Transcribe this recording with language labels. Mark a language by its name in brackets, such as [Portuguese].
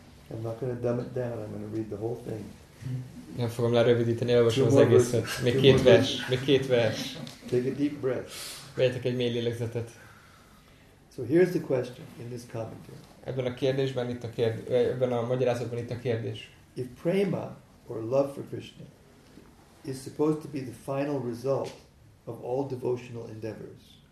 [English] I'm not going to dumb it down. I'm going to read the whole thing. [Hungarian] Nem fogom lerövidíteni, elolvasom az egészet. Még két vers. [English] Take a deep breath. [Hungarian] Vegyetek egy mély lélegzetet. [English] So here's the question in this commentary. [Hungarian] Ebben a kérdésben itt a kérdés, ebben a magyarázatban itt a kérdés. [English] If prema or love for Krishna is supposed to be the final result of all devotional endeavors.